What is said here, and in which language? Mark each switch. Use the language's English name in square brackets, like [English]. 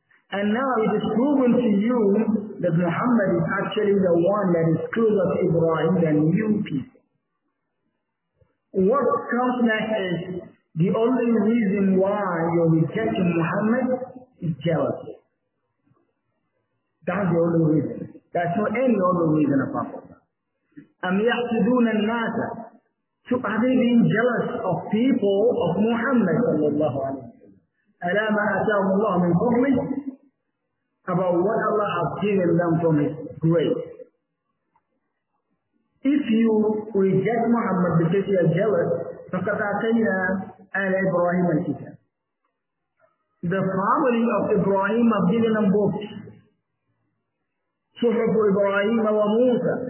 [English] And now it is proven to you that Muhammad is actually the one that is closer to Ibrahim than you people. What comes next is the only reason why you're rejecting Muhammad is jealousy. That's the only reason. That's not any other reason apart from that. [Arabic] أَمْ يَحْسُدُونَ النَّاسَ. [English] So are they being jealous of people of Muhammad [Arabic] صلى الله عليه وسلم؟ أَلَا مَا أَتَاهُمُ اللَّهُ مِنْ فَضْلِهِ. [English] About what Allah has given them from His grace. If you reject Muhammad because you are jealous, [Arabic] فَقَدْ أَتَيْنَا آلَ إِبْرَاهِيمَ الْكِتَابَ. [English] The family of Ibrahim have given them books. Suhuf Ibrahim wa Musa.